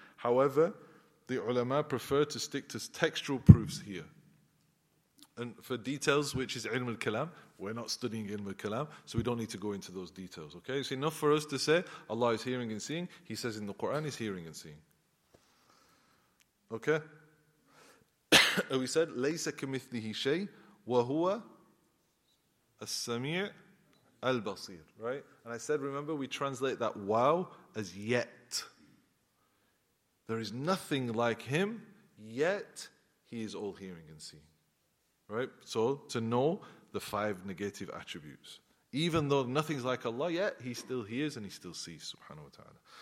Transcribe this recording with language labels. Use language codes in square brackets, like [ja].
[en] However, the ulama prefer to stick to textual proofs here. And for details, which is ilm al-kalam, we're not studying ilm al-kalam, so we don't need to go into those details, okay? It's enough for us to say, Allah is hearing and seeing. He says in the Quran, he's hearing and seeing. Okay. [ar] We said ليس كمثله شيء وهو السميع البصير, right? [en] And I said, remember, we translate that wow as yet. There is nothing like him, yet he is all hearing and seeing, right? So to know the five negative attributes, even though nothing's like Allah yet, he still hears and he still sees, subhanahu wa ta'ala.